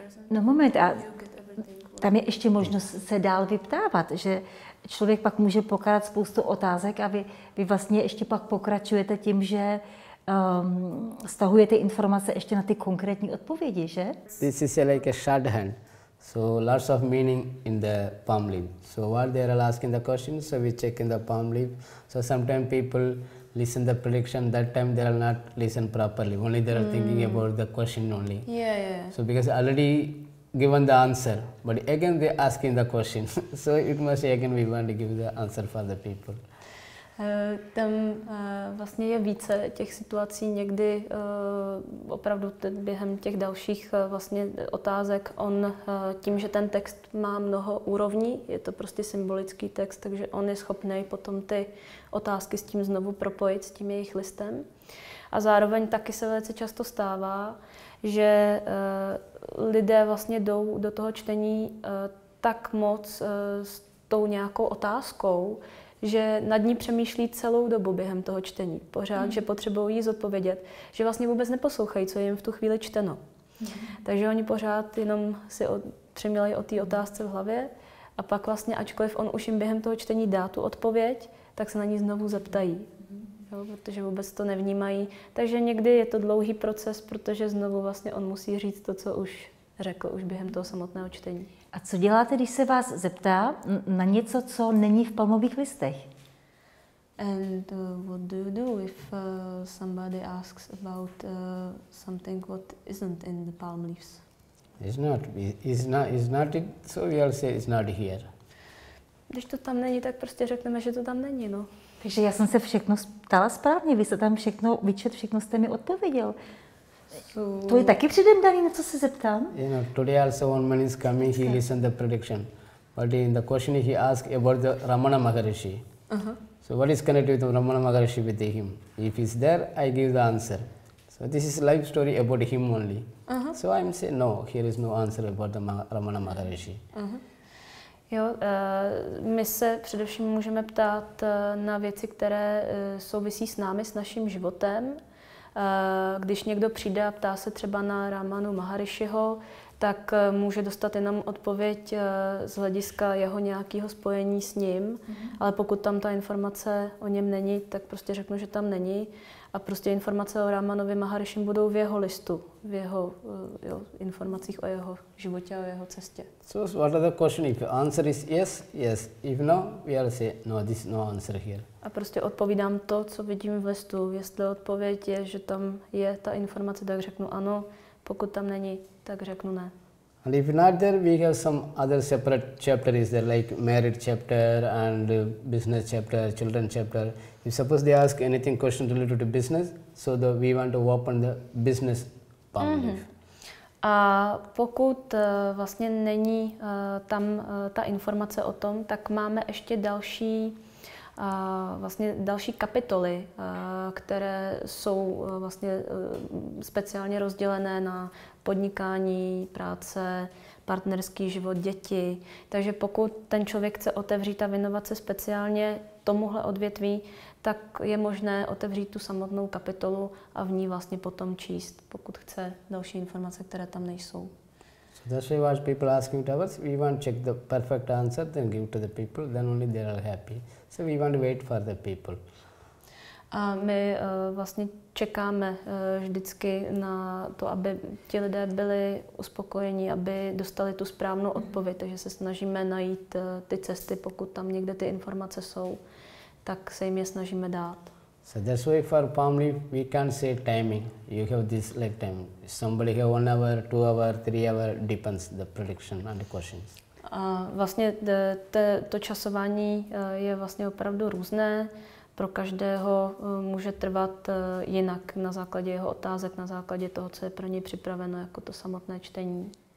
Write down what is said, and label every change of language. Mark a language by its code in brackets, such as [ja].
[cs] No moment, a tam je ještě možnost se dál vyptávat, že člověk pak může pokládat spoustu otázek, a vy vlastně ještě pak pokračujete tím, že stahujete informace ještě na ty konkrétní odpovědi, že? [en] This is like a shorthand, so lots of meaning in the palm leaf. So while they are asking the questions, so we check in the palm leaf. So sometimes people listen the prediction, that time they are not listen properly. Only they are thinking about the question only. Yeah. So because already given the answer, but again they asking the question. So it must again we want to give the answer for the people. [cs] Tam vlastně je více těch situací někdy opravdu během těch dalších vlastně otázek. On tím, že ten text má mnoho úrovní, je to prostě symbolický text, takže on je schopný potom ty otázky s tím znovu propojit, s tím jejich listem. A zároveň taky se velice často stává, že lidé vlastně jdou do toho čtení tak moc s tou nějakou otázkou, že nad ní přemýšlí celou dobu během toho čtení, pořád, že potřebují jí zodpovědět, že vlastně vůbec neposlouchají, co je jim v tu chvíli čteno. Takže oni pořád jenom si přemýšlejí o té otázce v hlavě a pak vlastně, ačkoliv on už jim během toho čtení dá tu odpověď, tak se na ní znovu zeptají, jo, protože vůbec to nevnímají. Takže někdy je to dlouhý proces, protože znovu vlastně on musí říct to, co už řekl už během toho samotného čtení. A co děláte, když se vás zeptá na něco, co není v palmových listech? [en] And what do you do if somebody asks about something what isn't in the palm leaves? It's not, so we'll say it's not here. [cs] Když to tam není, tak prostě řekneme, že to tam není, no. Takže já jsem se všechno ptala správně, vy jste tam všechno vyčet, všechno jste mi odpověděl. [en] So, [cs] to je taky předem daný, na co se zeptám? [en] You know, today also one man is coming, he listen the prediction. But in the question he asked about the Ramana Maharishi. So what is connected with Ramana Maharishi with him? If he's there, I give the answer. So this is life story about him only. So I'm saying no, here is no answer about the Ramana Maharishi. [cs] Jo, my se především můžeme ptát na věci, které souvisí s námi, s naším životem. Když někdo přijde a ptá se třeba na Ramanu Maharishiho, tak může dostat jenom odpověď z hlediska jeho nějakého spojení s ním, ale pokud tam ta informace o něm není, tak prostě řeknu, že tam není. A prostě informace o Ramanovi Maharishim budou v jeho listu, v jeho jo, informacích o jeho životě, o jeho cestě. [en] So what are the question? If answer is yes, yes. If no, we are say no, this is no answer here. [cs] A prostě odpovídám to, co vidím v listu. Jestli odpověď je, že tam je ta informace, tak řeknu ano. Pokud tam není, tak řeknu ne. [en] And if not there, we have some other separate chapter is there, like marriage chapter and business chapter, children chapter. If suppose they ask anything question related to business, so the, we want to open the business palm leaf. [cs] A pokud vlastně není tam ta informace o tom, tak máme ještě další vlastně další kapitoly, které jsou vlastně speciálně rozdělené na podnikání, práce, partnerský život, děti. Takže pokud ten člověk chce otevřít a věnovat se speciálně tomuhle odvětví, tak je možné otevřít tu samotnou kapitolu a v ní vlastně potom číst, pokud chce další informace, které tam nejsou. [en] So that's why what people ask you to us, we want to check the perfect answer, then give to the people, then only they are happy. So we want to wait for the people. [cs] A my vlastně čekáme vždycky na to, aby ti lidé byli uspokojeni, aby dostali tu správnou odpověď, takže se snažíme najít ty cesty, pokud tam někde ty informace jsou, tak se jim je snažíme dát. [en] So that's why for palm leaf, we can't say timing. You have this like time. Somebody have 1 hour, 2 hour, 3 hour, depends the prediction and the questions. [cs] A vlastně to časování je vlastně opravdu různé. Pro každého může trvat jinak na základě jeho otázek, na základě toho, co je pro něj připraveno, jako to samotné čtení.